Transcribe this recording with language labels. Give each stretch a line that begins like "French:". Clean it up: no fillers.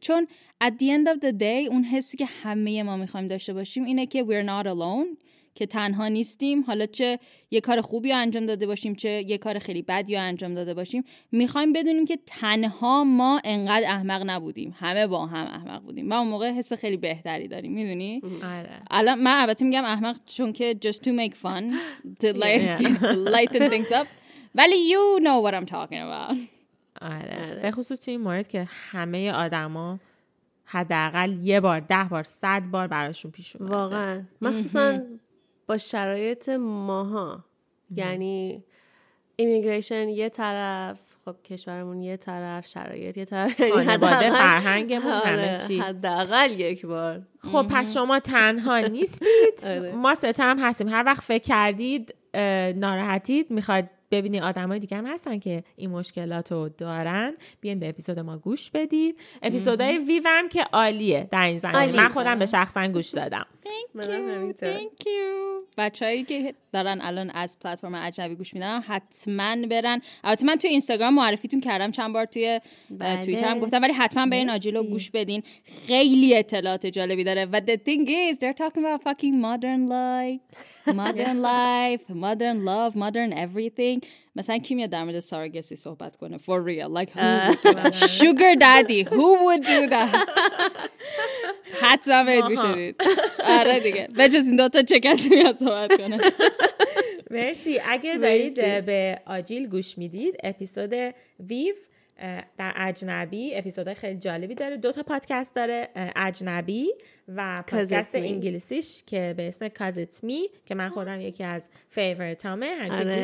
Persian: چون
English: at the end of the day
Persian: اون حسی که همه ما میخوایم داشته باشیم اینه که
English: we're not alone،
Persian: که تنها نیستیم. حالا چه یه کار خوبی رو انجام داده باشیم چه یه کار خیلی بدی رو انجام داده باشیم، میخوایم بدونیم که تنها ما انقدر احمق نبودیم، همه با هم احمق بودیم، و اون موقع حس خیلی بهتری داریم. میدونی الان من البته میگم احمق چون که
English: just to make fun to lighten things up,
Persian: ولی
English: you know what I'm talking about.
Persian: آره. آره. به خصوص تو این مورد که همه آدما حداقل یه بار، 10 بار، 100 بار براشون پیش اومده واقعا، مخصوصا با شرایط ماها یعنی ایمیگریشن یه طرف، خب کشورمون یه طرف، شرایط یه طرف، خانواده، فرهنگمون، همه چی، حداقل یک بار. خب پس شما تنها نیستید. ما ستا هم هستیم. هر وقت فکر کردید ناراحتید، میخواد ببینی آدم های دیگه هم هستن که این مشکلات رو دارن، بیاین در اپیزود ما گوش بدید. اپیزود های ویو هم که عالیه در این زمین. من خودم به شخصا گوش دادم.
English: Thank you.
Persian: بچه هایی که دارن الان از پلتفرم عجبی گوش میدن حتما برن. البته من توی اینستاگرام معرفیتون کردم چند بار، توی توییتر هم گفتم، ولی حتما برین آجیلو گوش بدین، خیلی اطلاعات جالبی داره.
English: و the thing is they're talking about fucking modern life, modern life, modern love, modern everything.
Persian: مثلا کی میاد در مورد سارگسی صحبت کنه
English: for real, like who would do that? Sugar daddy, who would do that?
Persian: حتما برید گوش بدید. آره دیگه، بجز این دوتا چه کسی میاد صحبت کنه؟ مرسی. اگه دارید به آجیل گوش میدید، اپیزود ویو در اجنبی، اپیزود خیلی جالبی داره، دوتا پادکست داره اجنبی و پادکست انگلیسیش که به اسم Cause It's Me که من خودم یکی از فیوریت همه، همچنین آره.